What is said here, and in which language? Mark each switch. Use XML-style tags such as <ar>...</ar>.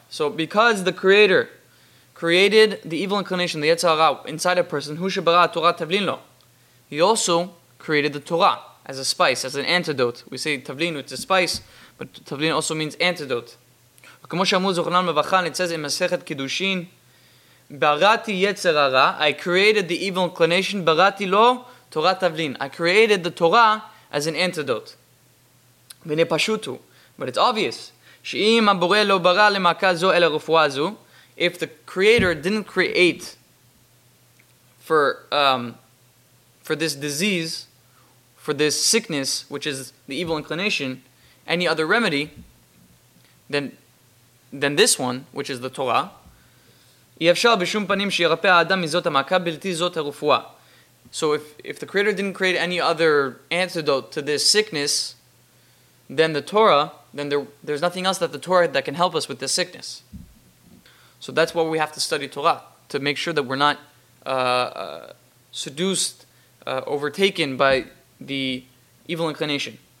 <en>So because the Creator created the evil inclination, the Yetzer Hara, inside a person, he also created the Torah. as a spice, as an antidote. We say tavlin, it's a spice, but tavlin also means antidote.</en> <he>כמו שאמרו זוכנן מבחן,</he> <en>it says in</en> <he>מסכת קידושין, בראתי יצר הרע,</he> <en>I created the evil inclination,</en> <he>בראתי לו תורת תבלין.</he> <en>I created the Torah as an antidote.</en> <he>והנה פשוט הוא,</he> <en>but it's obvious,</en> <he>שאם הבורא לא ברא למכה זו אלא רפואה זו,</he> <en>if the creator didn't create for this disease, for this sickness, which is the evil inclination, any other remedy, then this one, which is the Torah,</en> <he>אי אפשר בשום פנים שירפא האדם מזאת המכה בלתי זאת הרפואה.</he> <en>So if the creator didn't create any other antidote to this sickness, then the Torah, then there's nothing else that the Torah that can help us with this sickness. So that's why we have to study Torah, to make sure that we're not seduced, overtaken by the evil inclination.</en>